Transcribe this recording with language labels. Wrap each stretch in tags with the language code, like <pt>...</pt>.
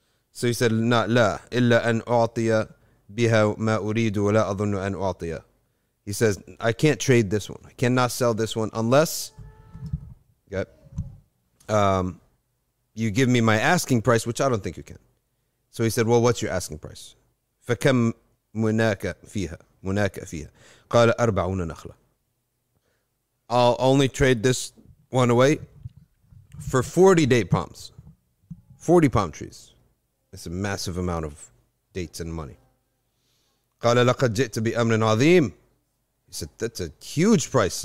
<en>So he said,</en> <ar>"Not la illa an u'tiya biha ma uridu wa la adhunnu an u'tiya."</ar> <en>He says, "I can't trade this one. I cannot sell this one unless you give me my asking price, which I don't think you can." So he said, "Well, what's your asking price?"</en> <ar>فكم مناك فيها مناك فيها قال أربعون نخلة.</ar> <en>I'll only trade this one away for 40 date palms, 40 palm trees. It's a massive amount of dates and money.</en> <ar>قال لقد جئت بأمر عظيم.</ar> <en>He said, that's a huge price.</en>